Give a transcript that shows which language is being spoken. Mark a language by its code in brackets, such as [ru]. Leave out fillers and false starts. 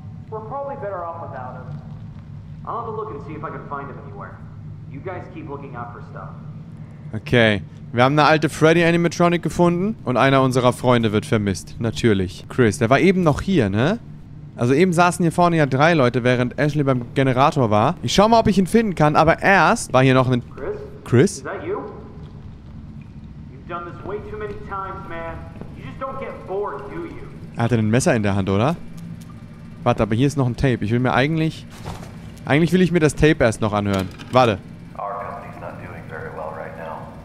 [en] We're probably better off without him. I'll have a look and see if I can find him anywhere. You guys keep looking out for stuff. Okay. [de] Wir haben eine alte Freddy Animatronic gefunden und einer unserer Freunde wird vermisst. Natürlich. Chris, der war eben noch hier, ne? Also eben saßen hier vorne ja drei Leute, während Ashley beim Generator war. Ich schau mal, ob ich ihn finden kann, aber erst war hier noch ein... [en] Chris? Chris? Is that you? You've done this way too many times, man. You just don't get bored, do you? [de] Er hatte ein Messer in der Hand, oder? Warte, aber hier ist noch ein Tape. Ich will mir eigentlich... Eigentlich will ich mir das Tape erst noch anhören. Warte. [en] Our company's not doing very well right now.